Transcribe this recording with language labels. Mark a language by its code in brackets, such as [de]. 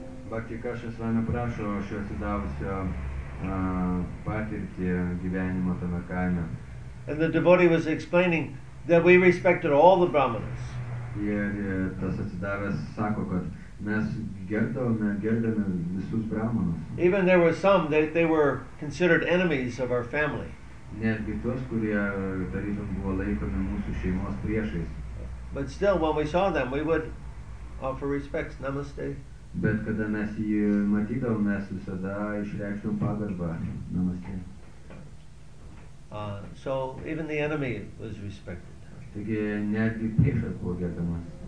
[lt] Bhaktivikas Maharaj prašo šio atsitavusio patirtį gyvenimo tame kaime. [en] And the devotee was explaining that we respected all the brahmanas. [lt] Tas atsidavęs sako, kad mes gerbėme visus brahmanus. [en] Even there were some that they were considered enemies of our family. [lt] Netgi tos, kurie tarytum buvo laikomi mūsų šeimos priešais. [en] But still, when we saw them, we would offer respects. [hi] Namaste. [lt] Bet kada mes jį matydavom, mes visada išreikštum pagarbą. [hi] Namaste. [en] So even the enemy was respected. [lt] Taigi netgi priešas buvo gerbiamas.